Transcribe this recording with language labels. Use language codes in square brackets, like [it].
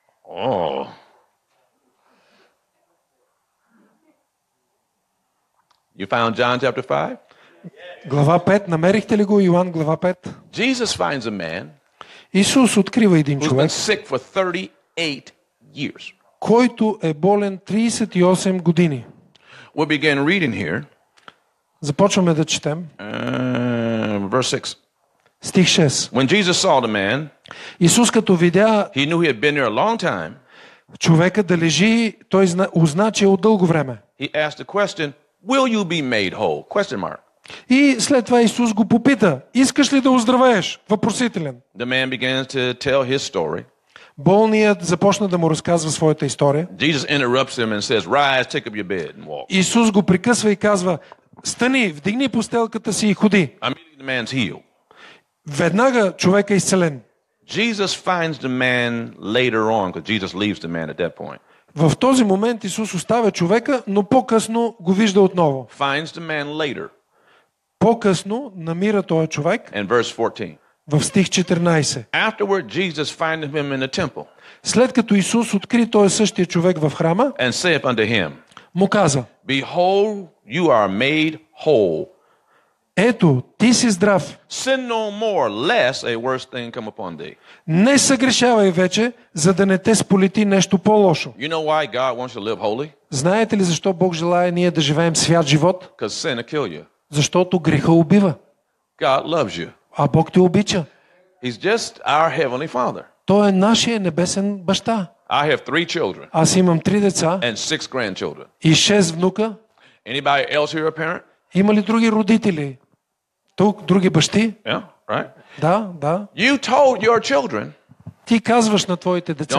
[en] Oh. You found John chapter 5? [bg] Глава 5, намерихте ли го, Йоан глава 5? [en] Jesus finds a man. [bg] Исус открива един човек. [en] Who's been sick for 38 years. [bg] Който е болен 38 години. [en] We begin reading here. [bg] Започваме да четем. [en] Verse 6. [bg] Стих 6. [en] When Jesus saw the man, [bg] Исус като видя, [en] he knew he had been here a long time. [bg] Човека да лежи, той узна, че е от дълго време. [en] He asked the question, will you be made whole? Question mark. [bg] И след това Исус го попита: "Искаш ли да оздравееш?" Въпросителен. [en] The man began to tell his story. [bg] Болният започна да му разказва своята история. [en] Jesus interrupts him and says, "Rise, take up your bed and walk." [bg] Исус го прекъсва и казва: "Стани, вдигни постелката си и ходи." [en] Immediately the man's healed. [bg] Веднага човекът е изцелен. [en] Jesus finds the man later on, because Jesus leaves the man at that point. [bg] В този момент Исус оставя човека, но по-късно го вижда отново. [en] Finds the man later. [bg] По-късно намира този човек. [en] And verse 14. [bg] В стих 14. [en] Afterward, Jesus finds him in the temple. [bg] След като Исус откри този същия човек в храма, [en] and saith unto him, [bg] му каза: [en] "Behold, you are made whole." [bg] Ето, ти си здрав. [en] Sin no more, lest a worse thing come upon thee. [bg] Не съгрешавай вече, за да не те сполети нещо по-лошо. [en] You know why God wants to live holy? [bg] Знаете ли защо Бог желае ние да живеем свят живот? [en] Because sin will kill you. [bg] Защото греха убива. [en] God loves you. [bg] А Бог те обича. [en] He's just our heavenly father. [bg] Той е нашия небесен баща. [en] I have three children. [bg] Аз имам три деца. [en] And six grandchildren. [bg] И шест внука. [en] Anybody else here a parent? [bg] Има ли други родители? Тук други бащи? [en] Yeah, right. [bg] Да, да. [en] You told your children. [bg] Ти казваш на твоите деца.